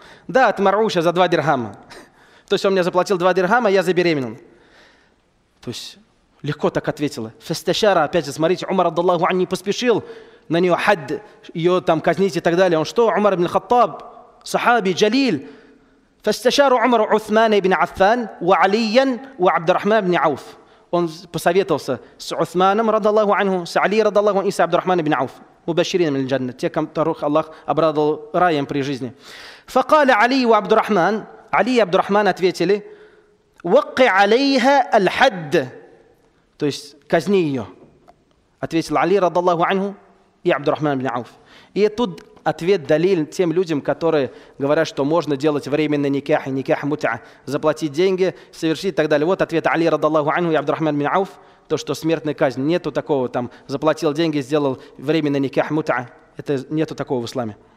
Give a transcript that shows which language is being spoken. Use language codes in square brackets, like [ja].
[ru] «Да, от маруша за 2 дирхама». То есть он мне заплатил 2 дирхама, я забеременел. То есть легко так ответила. «Фестешара». Опять же, смотрите, Умар Абдаллаху не поспешил на нее хад, ее там казнить и так далее. Он что, Умар ибн Хаттаб, сахаби, джалил. [ar] فاستشار عمر عثمان بن عفان وعليا وعبد الرحمن بن عوف. [ru] Он посоветовался с Усманом радиаллаху анху, с Али радиаллаху анху и с Абдуррахманом бин Ауф, [ar] мубаширин мин аль-джанна, [ru] те, которых Аллах обрадовал раем при жизни. [ar] فقال علي وعبد الرحمن, [ru] Али и Абдуррахман ответили: [ar] وقع عليها الحد. [ru] То есть казни её. Ответил Али радиаллаху анху и Абдуррахман бин Ауф. И тут ответ далил тем людям, которые говорят, что можно делать временный никах и никах мутиа, заплатить деньги, совершить и так далее. Вот ответ Али радаллаху анху и Абдуррахман бин Ауф, то, что смертная казнь, нету такого там, заплатил деньги, сделал временный никах мутиа, это нету такого в исламе.